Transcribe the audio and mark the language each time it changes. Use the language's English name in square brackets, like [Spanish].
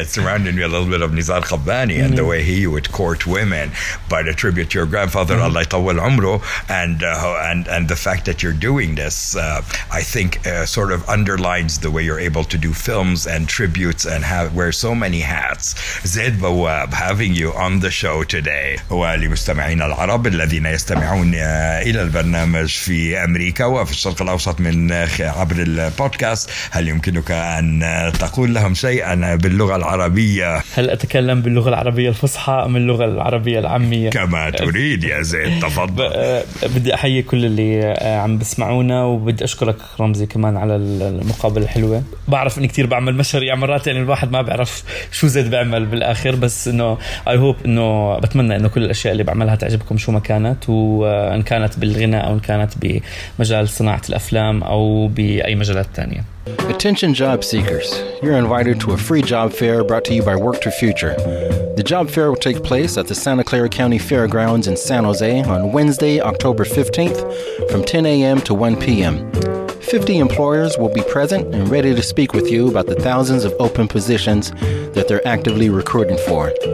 [English] It's surrounding me a little bit of Nizar Khabbani and the way he would court women. But a tribute to your grandfather, Allah Tawwal Umru, and the fact that you're doing this, I think sort of underlines the way you're able to do films and tributes and wear so many hats. Zaid Bawab, having you on the show today. [Arabic] ولمستمعين العرب الذين يستمعون إلى البرنامج في أمريكا وفي الشرق الأوسط من عبر البودكاست, هل يمكنك أن تقول لهم شيئا باللغة العربية؟ هل أتكلم باللغة العربية الفصحى أم اللغة العربية العامية؟ كما تريد يا زيد, تفضل. بدي أحيي كل اللي عم بسمعونا, وبدي أشكرك رمزي كمان على المقابلة الحلوة. بعرف أني كتير بعمل مشاريع مرات, يعني الواحد ما بعرف شو زيد بعمل بالآخر, بس أنه [English] I hope [Arabic] أنه بتمنى أنه كل الأشياء اللي بعملها تعجبكم شو ما كانت, وإن كانت بالغناء أو إن كانت بمجال صناعة الأفلام أو بأي مجالات تانية. [English] Attention job seekers, you're invited to a free job fair brought to you by Work to Future. The job fair will take place at the Santa Clara County Fairgrounds in San Jose on Wednesday, October 15th from 10 a.m. to 1 p.m. 50 employers will be present and ready to speak with you about the thousands of open positions that they're actively recruiting for.